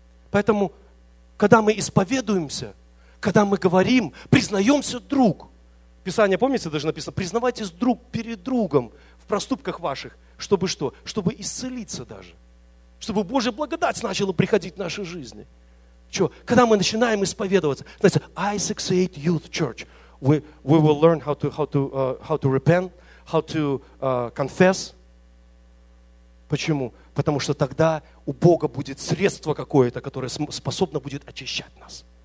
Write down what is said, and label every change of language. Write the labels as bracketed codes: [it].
[ru] Поэтому, когда мы исповедуемся, когда мы говорим, признаемся друг. Писание, помните, даже написано, признавайтесь друг перед другом в проступках ваших, чтобы что? Чтобы исцелиться даже. Чтобы Божья благодать начала приходить в нашей жизни. Что? Когда мы начинаем исповедоваться, знаете, [en] i68 Youth Church, we will learn how to repent, how to confess. [ru] Почему? Потому что тогда у Бога будет средство какое-то, которое способно будет очищать нас.